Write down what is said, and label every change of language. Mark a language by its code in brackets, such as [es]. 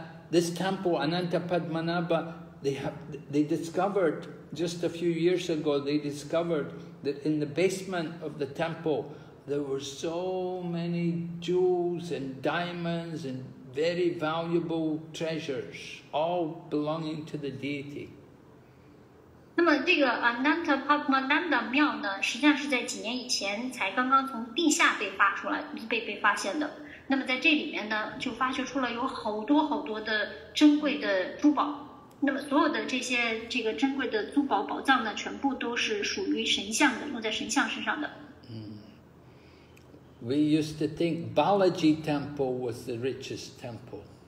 [en] This temple Ananta Padmanabha, they discovered just a few years ago, they discovered that in the basement of the temple there were so many jewels and diamonds and very valuable treasures, all belonging to the deity. [zh] 那么这个 Ananta Padmananda 庙呢，实际上是在几年以前才刚刚从地下被发现的。那么在这里面呢，就发掘出了有好多好多的珍贵的珠宝。那么所有的这些珍贵的珠宝宝藏呢，全部都是属于神像的，落在神像身上的。 [en] We used to think Balaji Temple was the richest temple.